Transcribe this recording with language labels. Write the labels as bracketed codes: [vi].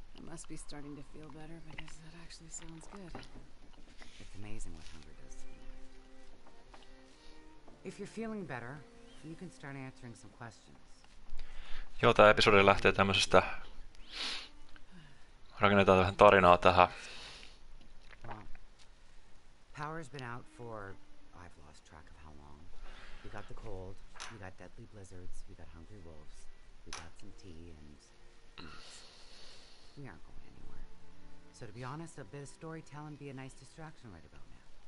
[en] Must be starting to feel better, but is that actually sounds good? It's amazing what hunger does. If you're feeling better, you can start answering some questions. [fi] Joo, tää episodi lähtee tämmöisestä. Rakennetaan vähän tarinaa tähän. [en] Power's been out for I've lost track of how long. We got the cold, we got deadly blizzards, we got hungry wolves, we got some tea and we aren't going anywhere. So to be honest, a bit of storytelling be a nice distraction right about now.